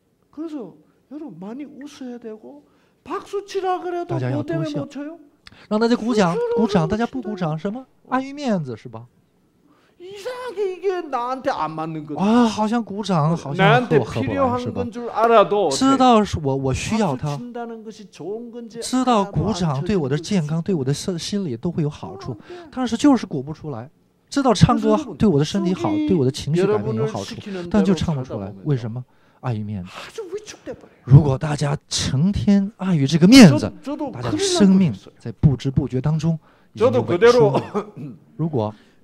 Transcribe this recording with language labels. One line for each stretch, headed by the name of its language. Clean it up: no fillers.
Korean: 그래서 여러분 많이 웃어야 되고 박수 치라 그래도 뭐 때문에 못 쳐요?
Chinese: 让大家鼓掌，大家不鼓掌什么? 碍于面子是吧?
Korean: 이상하게 이게 나한테 안 맞는 거죠.
Chinese: 아, 好像鼓掌，好像合不合适吧？知道是我需要它。知道鼓掌对我的健康、对我的身体都会有好处，但是就是鼓不出来。知道唱歌对我的身体好、对我的情绪感情有好处，但就唱不出来。为什么？碍于面子。如果大家成天碍于这个面子，大家的生命在不知不觉当中已经被束缚。如果